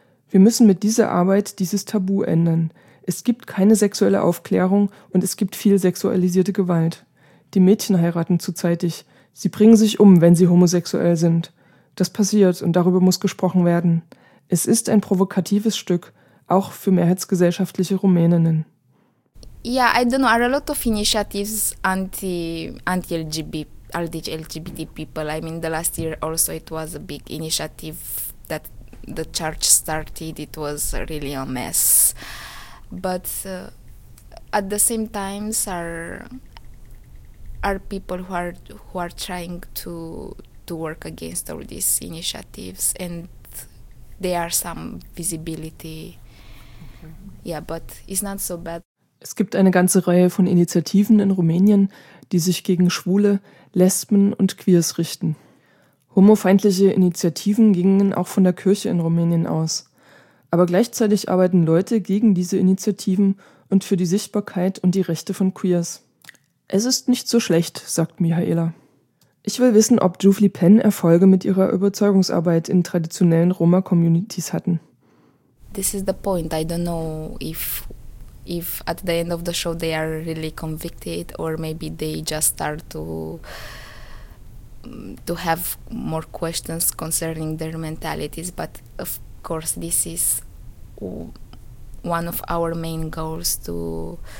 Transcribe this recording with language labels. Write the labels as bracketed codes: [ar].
[de] Wir müssen mit dieser Arbeit dieses Tabu ändern. Es gibt keine sexuelle Aufklärung und es gibt viel sexualisierte Gewalt. Die Mädchen heiraten zu zeitig. Sie bringen sich um, wenn sie homosexuell sind. Das passiert und darüber muss gesprochen werden. Es ist ein provokatives Stück, auch für mehrheitsgesellschaftliche Rumäninnen. [en] Ja, I don't know, there are a lot of initiatives anti-LGBT people. I mean, the last year also it was a big initiative that the church started. It was really a mess. But at the same time, are people who are trying to work against all these initiatives, and there are some visibility. Okay. Yeah, but it's not so bad. [de] Es gibt eine ganze Reihe von Initiativen in Rumänien, die sich gegen Schwule, Lesben und Queers richten. Homofeindliche Initiativen gingen auch von der Kirche in Rumänien aus. Aber gleichzeitig arbeiten Leute gegen diese Initiativen und für die Sichtbarkeit und die Rechte von Queers. Es ist nicht so schlecht, sagt Mihaela. Ich will wissen, ob Juvli Penn Erfolge mit ihrer Überzeugungsarbeit in traditionellen Roma-Communities hatten. [en] This is the point. I don't know if at the end of the show they are really convicted or maybe they just start to have more questions concerning their mentalities. But of course this is one of our main goals to...